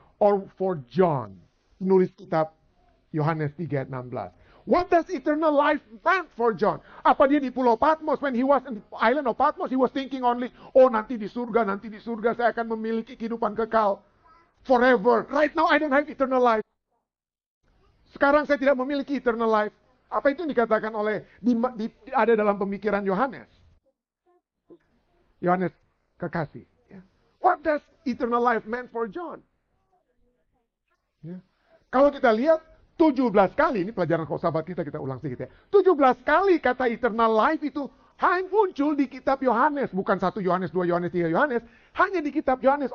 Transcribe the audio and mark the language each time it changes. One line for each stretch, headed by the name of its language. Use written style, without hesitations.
English: Or for John,
Indonesian: penulis kitab Yohanes 3:16.
English: What does eternal life mean for John?
Indonesian: Apa dia di Pulau Patmos?
English: When he was in the island of Patmos, he was thinking only,
Indonesian: oh nanti di surga saya akan memiliki kehidupan kekal forever.
English: Right now I don't have eternal life.
Indonesian: Sekarang saya tidak memiliki eternal life. Apa itu yang dikatakan oleh ada dalam pemikiran Yohanes? Yohanes kekasih.
English: What does eternal life mean for John?
Indonesian: Ya. Kalau kita lihat 17 kali ini pelajaran kok sahabat kita ulang sedikit ya. 17 kali kata eternal life itu hanya muncul di kitab Yohanes, bukan 1 Yohanes, 2 Yohanes, 3 Yohanes, hanya di kitab Yohanes.